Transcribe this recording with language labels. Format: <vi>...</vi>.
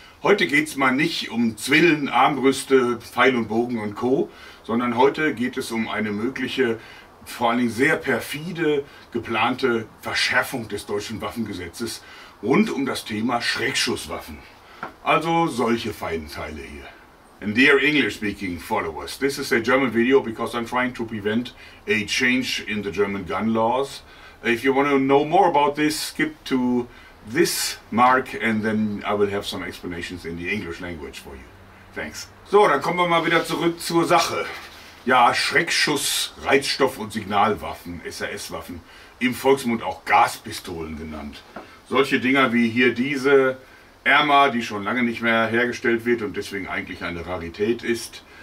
<de>Heute geht es mal nicht um Zwillen, Armbrüste, Pfeil und Bogen und Co., sondern heute geht es um eine mögliche, vor allen Dingen sehr perfide, geplante Verschärfung des deutschen Waffengesetzes rund um das Thema Schreckschusswaffen. Also solche feinen Teile hier.</de> <en>And dear English-speaking followers, this is a German video because I'm trying to prevent a change in the German gun laws. If you want to know more about this, skip to this mark and then I will have some explanations in the English language for you. Thanks.</en> <de>So, dann kommen wir mal wieder zurück zur Sache. Ja, Schreckschuss, Reizstoff- und Signalwaffen, SAS-Waffen, im Volksmund auch Gaspistolen genannt. Solche Dinger wie hier diese Erma, die schon lange nicht mehr hergestellt wird und deswegen eigentlich eine Rarität ist.</de>